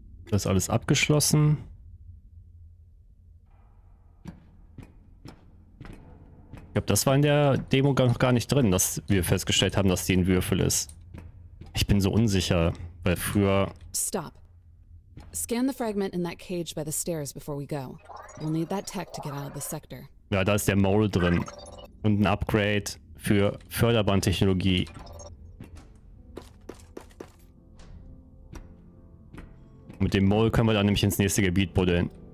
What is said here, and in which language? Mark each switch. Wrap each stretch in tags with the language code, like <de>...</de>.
<de>Das ist alles abgeschlossen. Ich glaube, das war in der Demo noch gar nicht drin, dass wir festgestellt haben, dass die ein Würfel ist. Ich bin so unsicher, weil früher...</de> <en>Stop. Scan the fragment in that cage by the stairs before we go. We'll need that tech to get out of the sector.</en> <de>Ja, da ist der Mole drin. Und ein Upgrade für Förderbahntechnologie. Mit dem Mole können wir dann nämlich ins nächste Gebiet buddeln.</de>